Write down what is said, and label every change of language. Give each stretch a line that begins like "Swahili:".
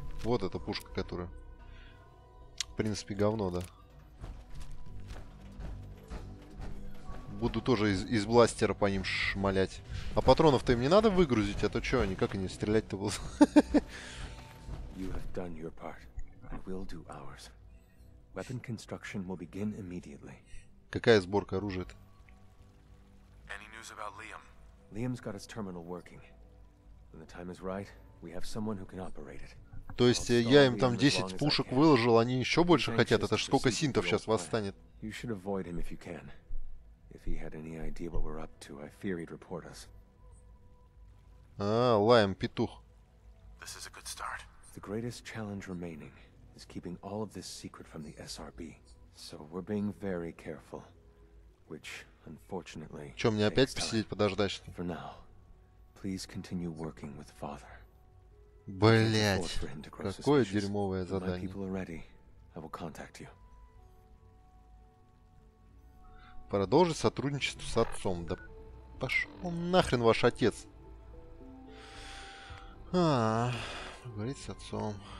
Russian: Вот эта пушка, которая... В принципе, говно, да. Буду тоже из бластера по ним шмалять. А патронов-то им не надо выгрузить, а то что они, как они стрелять-то будут?
English: You have done your part. I will do ours. Weapon construction will begin immediately.
Russian: Какая сборка оружия-то?
English: Any news about Liam? Liam's got his terminal working. When the time is right, we have someone who can operate it.
Russian: То есть я им там 10 пушек выложил, они еще больше хотят, это ж сколько синтов сейчас восстанет.
English: You should avoid him if you can. If he had any idea what we're up to, I fear he'd report us.
Russian: А, лаем, петух.
English: This is a good start. The greatest challenge remaining is keeping all of this secret from the SRB. So we're being very careful. Which, unfortunately,
Russian: что, мне опять посидеть, подождать, что ли?
English: For now, please continue working with father.
Russian: Блять, какое дерьмовое задание.
English: My people are ready. I will contact you.
Russian: Продолжить сотрудничество с отцом. Да пошел нахрен ваш отец. Поговорить с отцом.